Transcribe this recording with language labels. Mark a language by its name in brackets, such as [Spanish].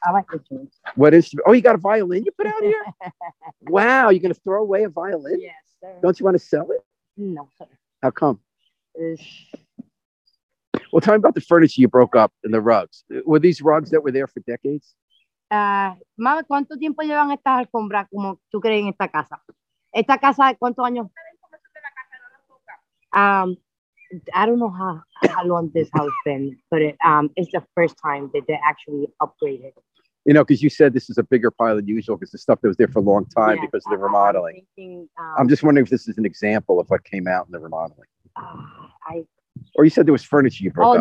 [English] I like the tunes. What instrument? Oh, you got a violin you put out here? Wow, you're going to throw away a violin? Yes, sir. Don't you want to sell it? No, sir. How come? Well, tell me about the furniture you broke up and the rugs. Were these rugs that were there for decades? [Spanish] Mami, ¿cuánto tiempo llevan estas alfombras como tú crees en esta casa? ¿Esta casa cuántos años? [English] I don't know how long this house been, but it's the first time that they actually upgraded. You know, because you said this is a bigger pile than usual because the stuff that was there for a long time, because of the remodeling. I'm just wondering if this is an example of what came out in the remodeling. Or you said there was furniture you broke up.